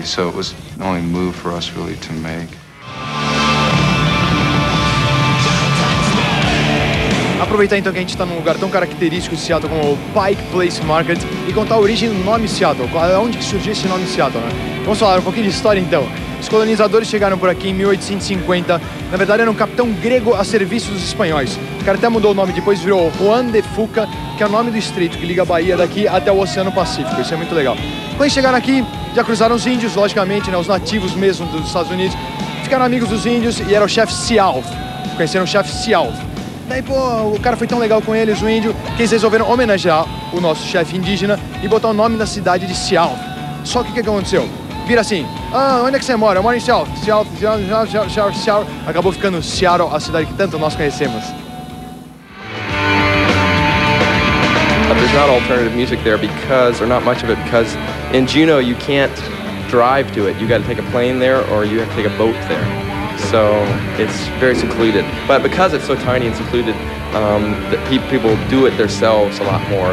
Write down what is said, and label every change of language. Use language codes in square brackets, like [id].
[en] So it was the only move for us really to make. [pt] Aproveitar então que a gente está num lugar tão característico de Seattle como o Pike Place Market e contar a origem do nome Seattle, onde que surgiu esse nome Seattle, né? Vamos falar um pouquinho de história então. Os colonizadores chegaram por aqui em 1850, na verdade era um capitão grego a serviço dos espanhóis. O cara até mudou o nome, depois virou Juan de Fuca, que é o nome do estreito que liga a Bahia daqui até o Oceano Pacífico, isso é muito legal. Quando eles chegaram aqui, já cruzaram os índios, logicamente, né, os nativos mesmo dos Estados Unidos, ficaram amigos dos índios e era o chefe Sealf, conheceram o chefe Sealf. Daí, pô, o cara foi tão legal com eles, o índio, que eles resolveram homenagear o nosso chefe indígena e botar o nome da cidade de Sealf. Só que o que aconteceu? Vira assim, ah, onde é que você mora? Eu moro em Seattle. Acabou ficando Seattle, a cidade que tanto nós conhecemos. [en] But there's not alternative music there because, or not much of it, because in Juneau you can't drive to it. You got to take a plane there or you have to take a boat there. So it's very secluded. But because it's so tiny and secluded, people do it themselves a lot more.